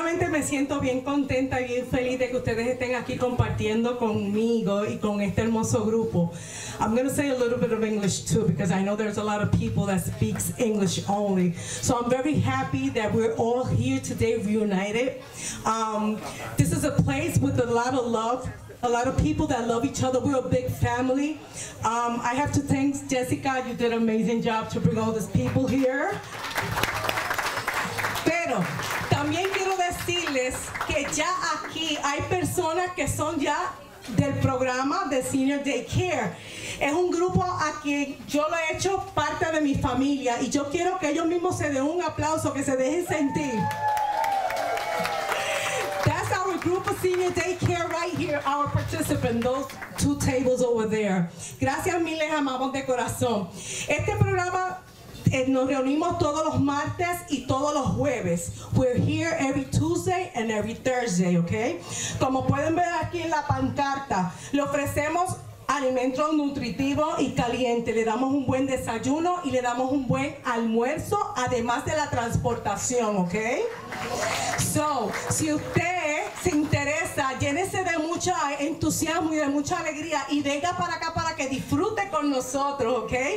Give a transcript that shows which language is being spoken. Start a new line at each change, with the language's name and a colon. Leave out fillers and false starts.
Spanish: Me siento bien contenta y bien feliz de que ustedes estén aquí compartiendo conmigo y con este hermoso grupo.
English: I'm going to say a little bit of English too, because I know there's a lot of people that speaks English only. So I'm very happy that we're all here today reunited. This is a place with a lot of love, a lot of people that love each other. We're a big family. I have to thank Jessica. You did an amazing job to bring all these people here.
Spanish: Pero también quiero decirles que ya aquí hay personas que son ya del programa de Senior Daycare. Es un grupo a quien yo lo he hecho parte de mi familia y yo quiero que ellos mismos se den un aplauso, que se dejen sentir.
English: That's our group of Senior Daycare right here, our participant, those two tables over there.
Spanish: Gracias mil, les amamos de corazón. Este programa nos reunimos todos los martes y todos los jueves.
English: We're here every Tuesday and every Thursday, okay?
Spanish: Como pueden ver aquí en la pancarta, le ofrecemos alimento nutritivo y caliente. Le damos un buen desayuno y le damos un buen almuerzo, además de la transportación, okay? So, si usted se interesa, llénese de mucho entusiasmo y de mucha alegría y venga para acá para que disfrute con nosotros, ¿ok?